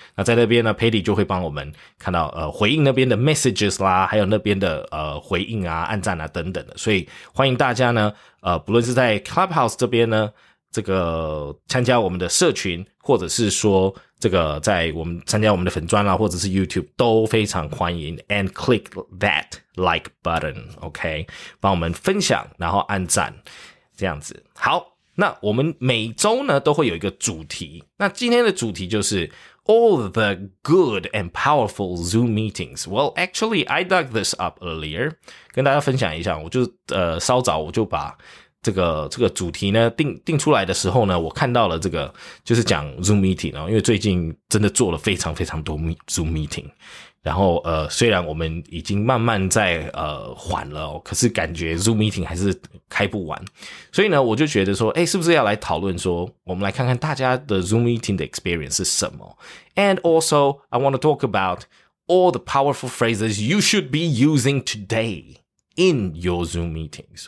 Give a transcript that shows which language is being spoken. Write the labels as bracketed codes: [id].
[zh] 那在那边呢， Paddy就会帮我们看到 回应那边的messages啦， 还有那边的回应啊， 按赞啊等等的。所以欢迎大家呢， 不论是在Clubhouse这边呢， 这个参加我们的社群， 或者是说这个在我们参加我们的粉专啦， 或者是YouTube 都非常欢迎。 [en] And click that like button, okay? [zh] 帮我们分享， 然后按赞， 这样子。好， 那我们每周呢， 都会有一个主题。那今天的主题就是 [en] All the good and powerful Zoom meetings. Well, actually, I dug this up earlier. [zh] 跟大家分享一下， 我就稍早我就把 这个主题呢定出来的时候呢， 我看到了这个就是讲Zoom meeting， 因为最近真的做了非常非常多Zoom meeting， 然后虽然我们已经慢慢在缓了， 可是感觉Zoom meeting 还是开不完， 所以呢我就觉得说， 是不是要来讨论说， 我们来看看大家的Zoom meeting的experience是什么。 [en] And also, I want to talk about all the powerful phrases you should be using today in your Zoom meetings.